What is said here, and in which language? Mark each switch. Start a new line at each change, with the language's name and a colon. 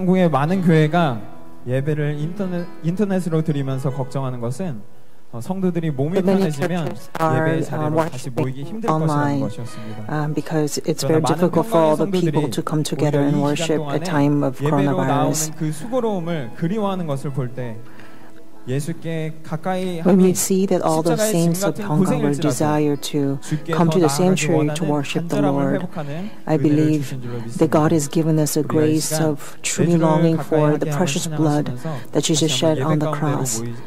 Korean: 많은 교회가 예배를 인터넷으로 드리면서 걱정하는 것은 성도들이 몸이 편해지면 예배 자리로 다시 모이기 힘들 것이라는 것이었습니다.
English: Because it's very difficult for all the people to come together and worship at time of coronavirus.
Korean: 그 수고로움을 그리워하는 것을 볼 때 예수께 가까이
English: When we see that all the saints of Hong Kong will desire to come to the sanctuary to worship the Lord, I believe that God has given us a grace of truly longing for the precious blood that Jesus shed on the cross.